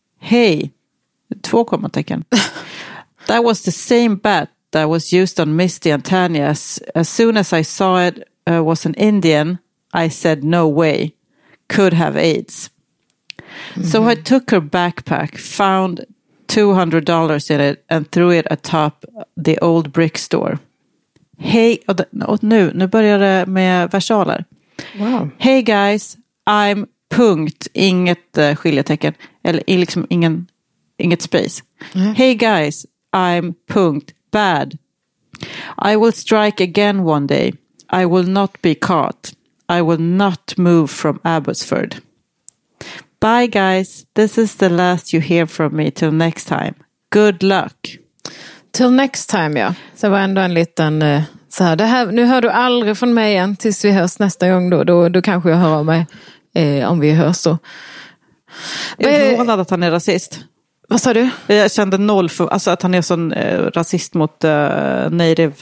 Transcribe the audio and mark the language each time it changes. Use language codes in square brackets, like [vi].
[en] Hey, [sv] två kommatecken. [en] That was the same bat that was used on Misty and Tanya. As soon as I saw it was an Indian, I said no way. Could have AIDS. Mm-hmm. So I took her backpack, found $200 in it and threw it atop the old brick store. [sv] Hey, och nu börjar det med versaler. [en] Wow. Hey guys, I'm [sv] punkt, inget skiljetecken, eller liksom inget space. Mm. [en] Hey guys, I'm punkt, bad. I will strike again one day. I will not be caught. I will not move from Abbotsford. Bye guys, this is the last you hear from me till next time. Good luck. Till next time, ja. [sv] Så var ändå en liten så här, det här, nu hör du aldrig från mig igen tills vi hörs nästa gång då kanske jag hör av mig om vi hörs då. Jag är förvånad att han är rasist. Vad sa du? Jag kände noll för alltså att han är sån rasist mot native.